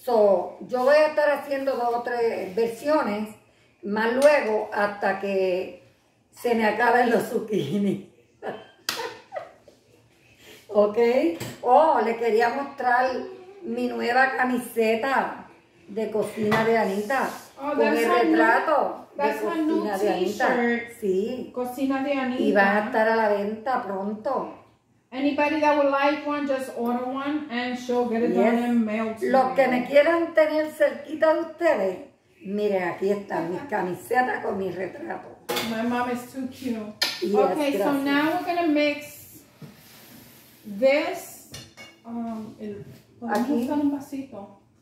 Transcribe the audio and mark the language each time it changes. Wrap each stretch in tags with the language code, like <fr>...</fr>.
<es>So, yo voy a estar haciendo dos o tres versiones, más luego hasta que se me acaben los zucchini. ¿Ok? Oh, le quería mostrar mi nueva camiseta de cocina de Anita. Oh, con el retrato de cocina de Anita. Sí. Cocina de Anita. Y va a estar a la venta pronto.</es> <en>Anybody that would like one, just order one and she'll get it done and mail to you.</en> <es>Los que me quieran tener cerquita de ustedes, miren, aquí están mis camisetas con mi retrato.</es> <en>My mom is too cute. Yes, okay,</en> <es>gracias.</es> <en>So now we're going to mix this.</en> <es>Aquí. Usar un vasito.</es>